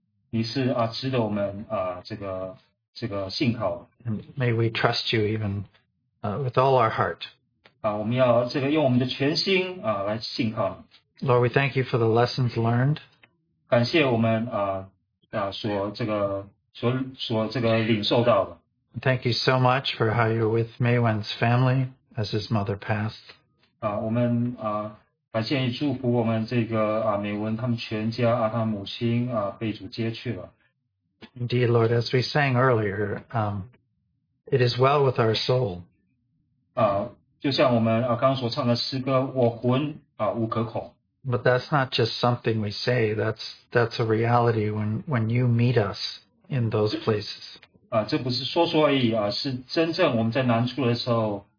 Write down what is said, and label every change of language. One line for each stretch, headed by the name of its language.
Chinese: 你是值得我们这个信靠。
English: And may we trust you even with all our heart.
Chinese: 我们要这个用我们的全心来信靠你。
English: Lord, we thank you for the lessons learned.
Chinese: 感谢我们所这个领受到的。
English: Thank you so much for how you're with Mei Wen's family as his mother passed.
Chinese: 我们感谢你祝福我们这个美文他们全家他母亲被主接去了。
English: Indeed, Lord, as we sang earlier, it is well with our soul.
Chinese: 就像我们刚刚所唱的诗歌，我魂无可恐。
English: But that's not just something we say. That's a reality when you meet us in those places.
Chinese: 这不是说说而已是真正我们在难处的时候